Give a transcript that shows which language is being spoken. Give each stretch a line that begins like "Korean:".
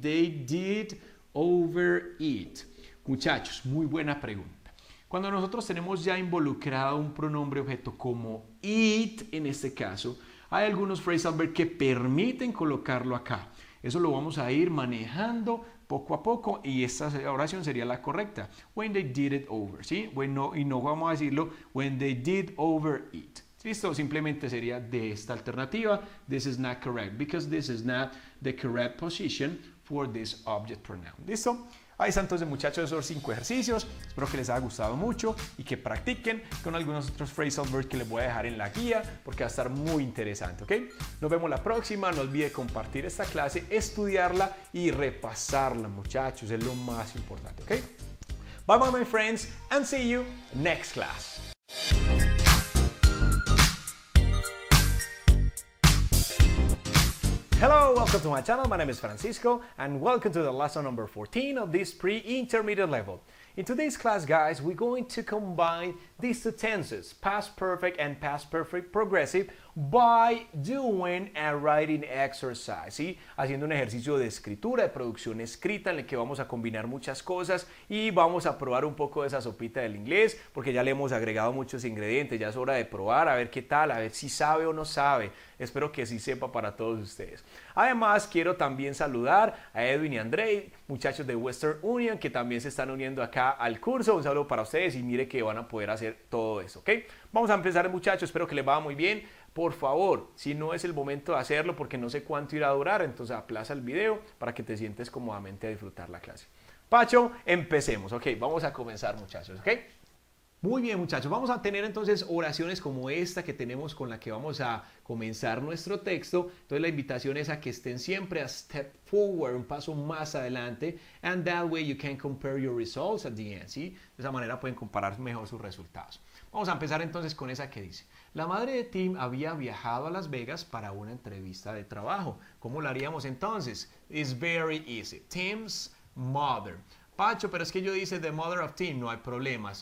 English: They did over it.
Spanish: Muchachos, muy buena pregunta. Cuando nosotros tenemos ya involucrado un pronombre objeto como it, en este caso, hay algunos phrasal verbs que permiten colocarlo acá. Eso lo vamos a ir manejando poco a poco y esta oración sería la correcta.
English: When they did it over, ¿sí?
Spanish: Bueno, y no vamos a decirlo,
English: when they did over it.
Spanish: ¿Listo? Simplemente sería de esta alternativa.
English: This is not correct because this is not the correct position for this object pronoun. ¿Listo?
Spanish: Ahí está entonces, muchachos, esos 5 ejercicios. Espero que les haya gustado mucho y que practiquen con algunos otros phrasal verbs que les voy a dejar en la guía, porque va a estar muy interesante, ¿ok? Nos vemos la próxima. No olvide compartir esta clase, estudiarla y repasarla, muchachos. Es lo más importante, ¿ok?
English: Bye, bye, my friends, and see you next class. Hello, welcome to my channel. My name is Francisco, and welcome to the lesson number 14 of this pre-intermediate level. In today's class, guys, we're going to combine these two tenses, past perfect and past perfect progressive, by doing a writing exercise, ¿sí?
Spanish: Haciendo un ejercicio de escritura, de producción escrita, en el que vamos a combinar muchas cosas y vamos a probar un poco de esa sopita del inglés, porque ya le hemos agregado muchos ingredientes, ya es hora de probar, a ver qué tal, a ver si sabe o no sabe. Espero que sí sepa para todos ustedes. Además, quiero también saludar a Edwin y André, muchachos de Western Union, que también se están uniendo acá al curso. Un saludo para ustedes y mire que van a poder hacer todo eso, ¿ok? Vamos a empezar, muchachos, espero que les vaya muy bien. Por favor, si no es el momento de hacerlo porque no sé cuánto irá a durar, entonces aplaza el video para que te sientes cómodamente a disfrutar la clase. Pacho, empecemos. Ok, vamos a comenzar, muchachos. Okay. Muy bien, muchachos. Vamos a tener entonces oraciones como esta que tenemos, con la que vamos a comenzar nuestro texto. Entonces la invitación es a que estén siempre
English: a step forward,
Spanish: un paso más adelante.
English: And that way you can compare your results at the end.
Spanish: ¿Sí? De esa manera pueden comparar mejor sus resultados. Vamos a empezar entonces con esa que dice: la madre de Tim había viajado a Las Vegas para una entrevista de trabajo. ¿Cómo lo haríamos entonces?
English: It's very easy. Tim's mother.
Spanish: Pacho, pero es que yo dice
English: the mother of Tim.
Spanish: No hay problema.